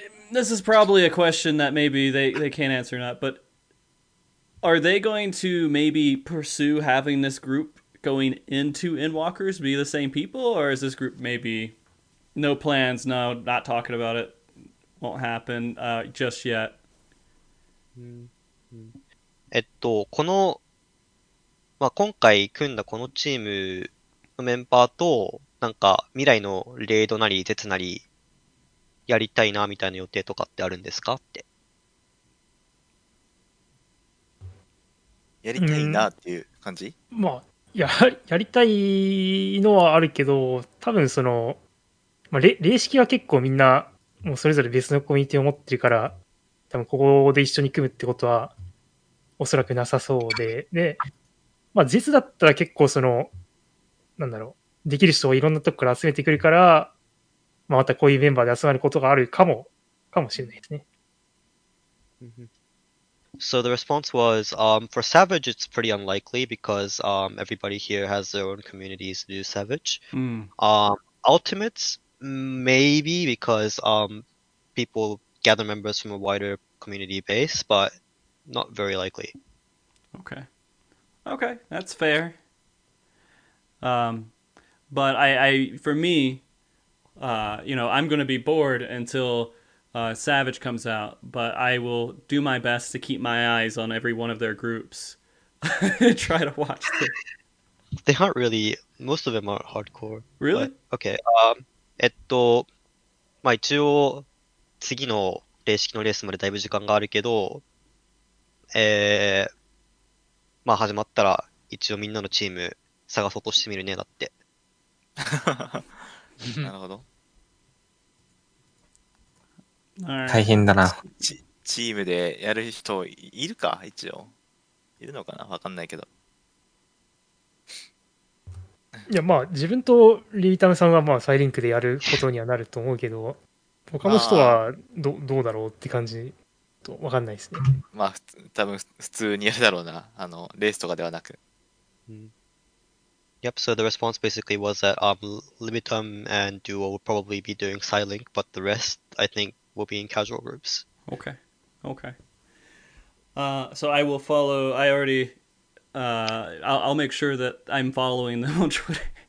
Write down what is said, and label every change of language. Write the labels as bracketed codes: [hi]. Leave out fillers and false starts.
[en] This is probably a question that maybe they can't answer or not, but are they going to maybe pursue having this group going into Endwalkers be the same people, or is this group maybe no plans, no, not talking about it, won't happen just yet? [ja] この、まあ、今回組んだこのチームのメンバーと、なんか未来のレイドなり、絶なり、やりたいなみたいな予定とかってあるんですかって。やりたいなっていう感じ、うん、まあ、やりたいのはあるけど、多分その、まあ、レイ式は結構みんな、もうそれぞれ別のコミュニティを持ってるから、多分ここで一緒に組むってことは、おそらくなさそうで、で、まあ、絶だったら結構その、なんだろう、できる人をいろんなとこから集めてくるから、まあ、またこういうメンバーで集まることがあるかもしれないですね。 [en] So the response was, for Savage, it's pretty unlikely because, everybody here has their own communities to do Savage. Ultimates, maybe because, people gather members from a wider community base, but not very likely. Okay. Okay, that's fair. But I for me, you know, I'm going to be bored until Savage comes out, but I will do my best to keep my eyes on every one of their groups. Try to watch them. They aren't really, most of them aren't hardcore. Really? But, okay. [ja] まあ一応、次の霊式のレースまでだいぶ時間があるけど、まあ始まったら一応みんなのチーム探そうとしてみるね、だって。なるほど。大変だな。チームでやる人いるか、一応。いるのかな、わかんないけど。いや、まあ自分とリビタムさんはまあサイリンクでやることにはなると思うけど、他の人はどうだろうって感じとわかんないですね。まあ多分普通にやるだろうな、あのレースとかではなく。 [en] Yep, so the response basically was that Libitum and Duo will probably be doing Psylink, but the rest, I think, will be in casual groups. Okay, okay. So I will follow, I already, I'll make sure that I'm following them on Twitter.